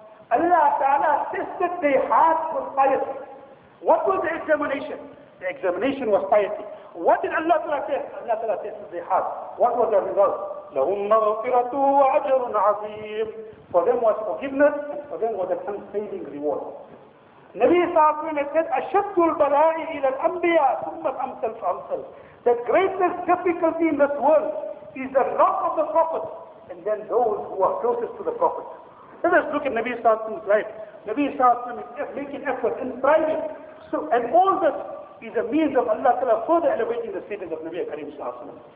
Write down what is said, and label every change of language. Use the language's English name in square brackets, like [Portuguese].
[English] Allah Ta'ala tested their hearts with piety. What was the examination? The examination was piety. What did Allah Ta'ala test? Allah Ta'ala tested their hearts. What was the result? [Arabic] لَهُمْ مَغْفِرَةٌ وَعَجْرٌ عَظِيمٌ. [English] For them was forgiveness, for them was an unfailing reward. [Arabic] Nabi sallallahu alayhi wa sallam said, أَشَدُّ الْبَلَاءِ إِلَى الْأَنْبِيَا ثُمَّ الْأَمْثَلْ فَأَمْثَلْ. [English] That greatest difficulty in this world is the wrath of the Prophet and then those who are closest to the Prophet. Let us look at Nabi sallallahu alayhi wa sallam's life. Nabi sallallahu alayhi wa sallam is making effort and striving. So, and all this is a means of Allah Ta'ala further elevating the status of Nabi Kareem sallallahu alayhi wa sallam.